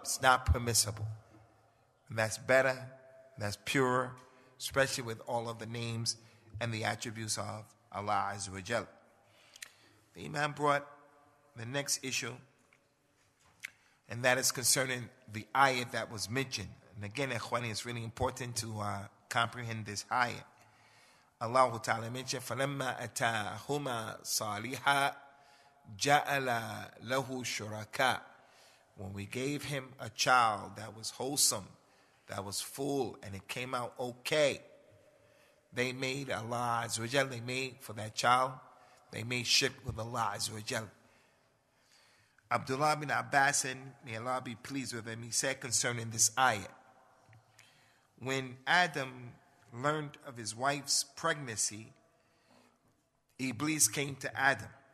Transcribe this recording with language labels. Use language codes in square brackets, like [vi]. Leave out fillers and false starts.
[en] It's not permissible. And that's better, that's purer, especially with all of the names and the attributes of Allah Azza wa Jal. The Imam brought the next issue, and that is concerning the ayat that was mentioned. And again, Ikhwani, it's really important to comprehend this ayat. Allah Ta'ala mentioned, [ar] فَلَمَّا أَتَاهُمَا صَالِحًا جَعَلَ لَهُ شُرَكَاء. [en] When we gave him a child that was wholesome, that was full, and it came out okay, they made Allah Azza wa Jalla, they made for that child, they made shirk with Allah Azza wa Jalla. Abdullah bin Abbas, may Allah be pleased with him, he said concerning this ayah, when Adam learned of his wife's pregnancy, Iblis came to Adam.